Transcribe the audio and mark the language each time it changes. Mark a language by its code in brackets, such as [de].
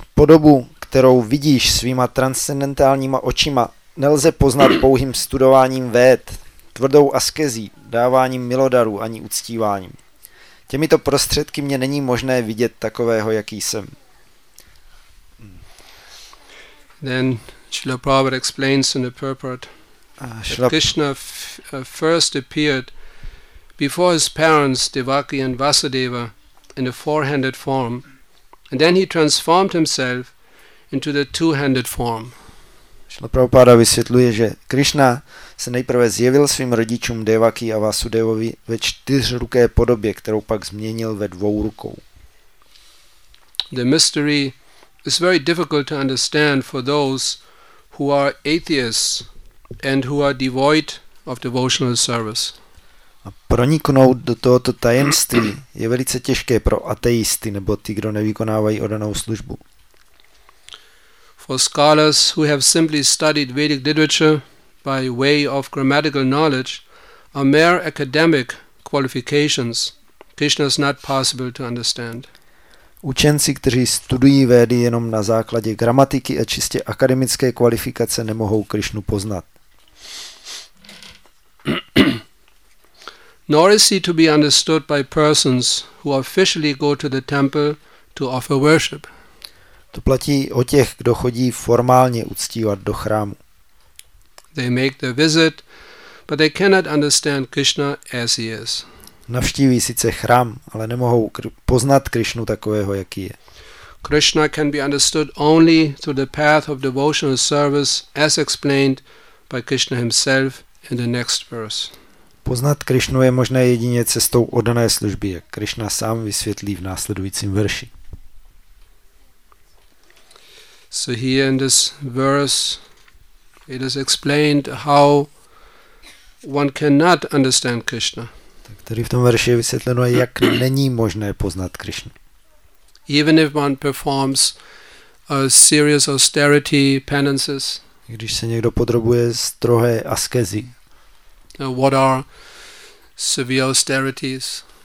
[cs] Podobu, kterou vidíš svýma transcendentálníma očima, nelze poznat pouhým studováním véd, tvrdou askezí, dáváním milodarů ani uctíváním. Těmito prostředky mě není možné vidět takového, jaký jsem. [en] Then Srila Prabhupada explains in the purport that Krishna first appeared before his parents Devaki and Vasudeva in a four-handed form, and then he transformed himself into the two-handed form. [cs] Srila Prabhupada vysvětluje, že Krishna se nejprve zjevil svým rodičům Devaki a Vasudevovi ve čtyřruké podobě, kterou pak změnil ve dvou rukou. [en] The mystery is very difficult to understand for those who are atheists and who are devoid of devotional service. [cs] A proniknout do tohoto tajemství je velice těžké pro ateisty nebo ty, kdo nevykonávají oddanou službu. [en] For scholars who have simply studied Vedic literature by way of grammatical knowledge or mere academic qualifications, Krishna is not possible to understand. [cs] Učenci, kteří studují védy jenom na základě gramatiky a čistě akademické kvalifikace, nemohou Krishnu poznat. [en] Nor is he to be understood by persons who officially go to the temple to offer worship. [cs] To platí o těch, kdo chodí formálně uctívat do chrámu. [en] They make the visit, but they cannot understand Krishna as he is. [cs] Navštíví sice chrám, ale nemohou poznat Krishnu takového, jaký je. [en] Krishna can be understood only through the path of devotional service as explained by Krishna himself in the next verse. [cs] Poznat Krishnu je možné jedině cestou oddané služby, jak Krishna sám vysvětlí v následujícím verši. [en] So here in this verse it is explained how one cannot understand Krishna. [cs] Tady v tom verši je vysvětleno, jak není možné poznat Krishnu. [en] Even if one performs a serious austerity penances. [cs] Když se někdo podrobuje strohé askezi. [en] What are severe austerities?